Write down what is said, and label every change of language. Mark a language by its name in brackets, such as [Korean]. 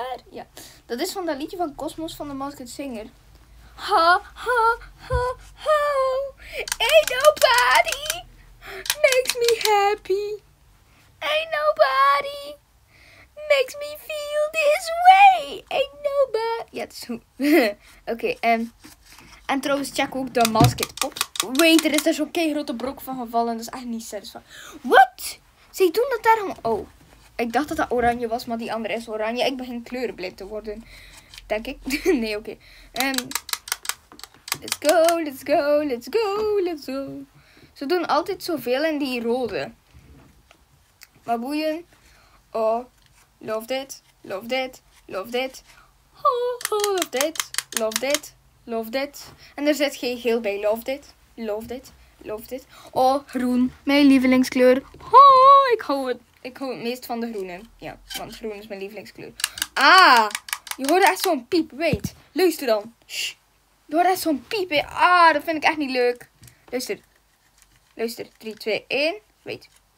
[Dutch] Ja, dat is van dat liedje van Cosmos van de Masked Singer. Ha, ha, ha, ha. [English] Ain't nobody makes me happy. Ain't nobody makes me feel this way. Ain't nobody. [Dutch] Ja, het is goed. Oké, en trouwens, check ook de Masked Pop. Wait, er is daar zo'n keigrote brok van gevallen. Dat is echt niet satisfying. What? Ze doen dat daarom. Oh. Ik dacht dat dat oranje was, maar die andere is oranje. Ik begin kleurenblind te worden. Denk ik. Nee, oké. [English] Let's go, let's go, let's go, let's go. [Dutch] Ze doen altijd zoveel in die rode. Maar boeien. [English] Oh, love that, love that, love that. Oh, love that, love that, love that. [Dutch] En er zit geen geel bij. [English] Love that, love that, love that. [Dutch] Oh, groen. Mijn lievelingskleur. Oh, ik hou het. Ik hou het meest van de groene. Ja, want groen is mijn lievelingskleur. Ah! Je hoorde echt zo'n piep. Wait, luister dan. Shh. Je hoorde echt zo'n piep. Ah, dat vind ik echt niet leuk. Luister. Luister. 3, 2, 1. Wait.